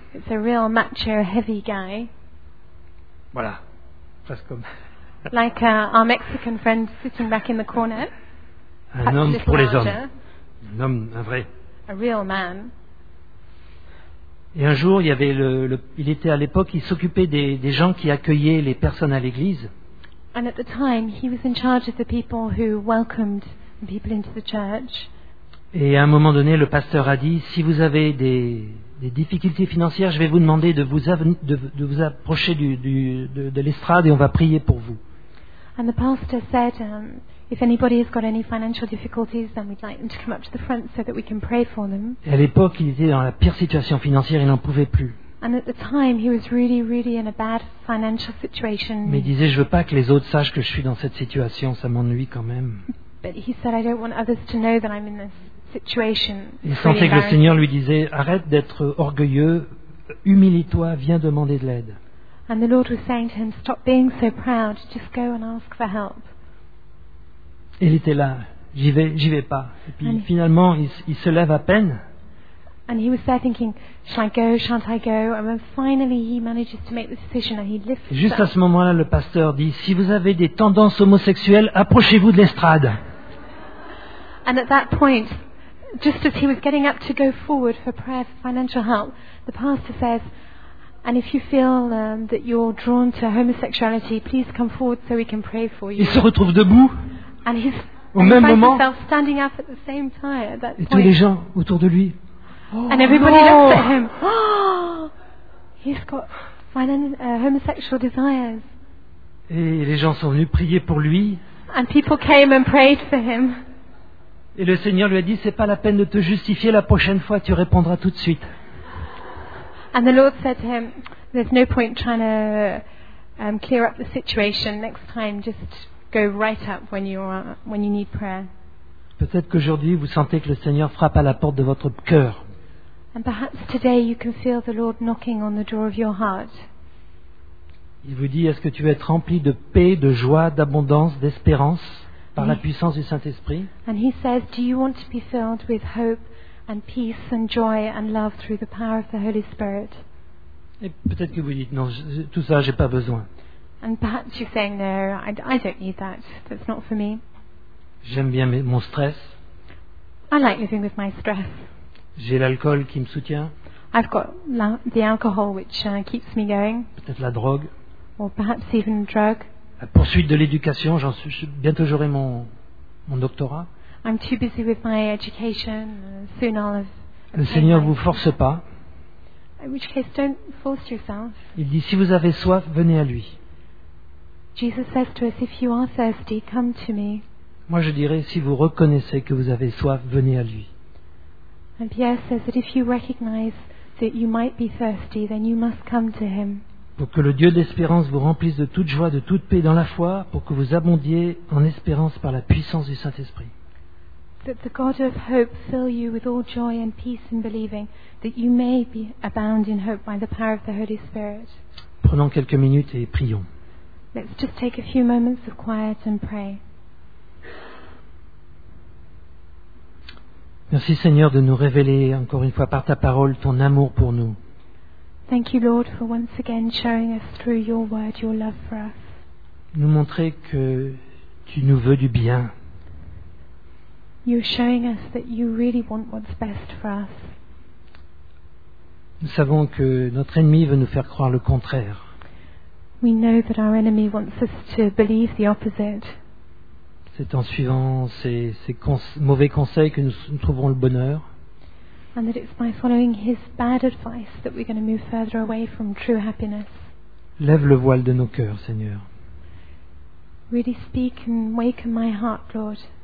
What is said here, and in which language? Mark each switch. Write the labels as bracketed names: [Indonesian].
[English] It's a real macho, heavy guy. [French] Voilà. Presque comme. [English] Like our Mexican friend sitting back in the corner. [French] Un homme pour les hommes. Un homme, un vrai. [English] A real man. [French] Et un jour, il y avait il était à l'époque, il s'occupait des gens qui accueillaient les personnes à l'église. [English] And at the time, he was in charge of the people who welcomed people into the church. [French] Et à un moment donné, le pasteur a dit, si vous avez des difficultés financières, je vais vous demander de vous approcher de l'estrade et on va prier pour vous. [English] And the pastor said, if anybody has got any financial difficulties, then we'd like them to come up to the front so that we can pray for them. [French] Et à l'époque, il était dans la pire situation financière, il n'en pouvait plus. [English] And at the time, he was really, really in a bad financial situation. [French] Mais il disait, je veux pas que les autres sachent que je suis dans cette situation, ça m'ennuie quand même. [English] But he said, I don't want others to know that I'm in this situation. [French] Il sentait que le Seigneur lui disait, arrête d'être orgueilleux, humilie-toi, viens demander de l'aide. [English] And the Lord was saying to him, stop being so proud, just go and ask for help. [French] Il était là, j'y vais pas. Et puis finalement, il se lève à peine. [English] And he was there thinking, shall I go, shan't I go? And then finally he manages to make the decision and he lifts. [French] Juste à ce moment-là, le pasteur dit, si vous avez des tendances homosexuelles, approchez-vous de l'estrade. [English] And at that point, just as he was getting up to go forward for prayer for financial help, the pastor says, and if you feel that you're drawn to homosexuality, please come forward so we can pray for you. [French] Il se retrouve debout. [English] And he's [French] au même moment, [English] standing up at the same time at that point. [French] Et tous les gens autour de lui. [English] Oh, and everybody no. looks at him. Oh, he's got homosexual desires. [French] Et les gens sont venus prier pour lui. [English] And people came and prayed for him. [French] Et le Seigneur lui a dit, c'est pas la peine de te justifier la prochaine fois, tu répondras tout de suite. [English] And the Lord said to him, there's no point trying to clear up the situation. Next time, just go right up when you need prayer. [French] Peut-être qu'aujourd'hui, vous sentez que le Seigneur frappe à la porte de votre cœur. [English] And perhaps today you can feel the Lord knocking on the door of your heart. [French] Il vous dit, est-ce que tu veux être rempli de paix, de joie, d'abondance, d'espérance par la puissance du Saint-Esprit? [English] And he says, do you want to be filled with hope and peace and joy and love through the power of the Holy Spirit? [French] Et peut-être que vous dites, non, tout ça, j'ai pas besoin. [English] And perhaps you're saying, no, I don't need that. That's not for me. [French] J'aime bien mon stress. [English] I like living with my stress. [French] J'ai l'alcool qui me soutient. [English] I've got the alcohol which keeps me going. [French] Peut-être la drogue. [English] Or perhaps even drug. [French] La poursuite de l'éducation, bientôt j'aurai mon doctorat. [English] I'm too busy with my education. Soon I'll have. [French] Le Seigneur vous force pas. [English] In which case, don't force yourself. [French] Il dit, si vous avez soif, venez à lui. [English] Jesus says to us, if you are thirsty, come to me. [French] Moi je dirais, si vous reconnaissez que vous avez soif, venez à lui. [English] And Pierre says that if you recognize that you might be thirsty, then you must come to him. [French] Pour que le Dieu d'espérance vous remplisse de toute joie, de toute paix dans la foi, pour que vous abondiez en espérance par la puissance du Saint-Esprit. [English] That the God of hope fill you with all joy and peace in believing, that you may be abound in hope by the power of the Holy Spirit. [French] Prenons quelques minutes et prions. [English] Let's just take a few moments of quiet and pray. [French] Merci Seigneur de nous révéler encore une fois par ta parole ton amour pour nous. [English] Thank you Lord for once again showing us through your word your love for us. [French] Nous montrer que tu nous veux du bien. [English] You're showing us that you really want what's best for us. [French] Nous savons que notre ennemi veut nous faire croire le contraire. [English] We know that our enemy wants us to believe the opposite. [French] C'est en suivant ces mauvais conseils que nous trouverons le bonheur. [English] And that it's by following his bad advice that we're going to move further away from true happiness. [French] Lève le voile de nos cœurs, Seigneur. [English] Really speak and waken my heart, Lord.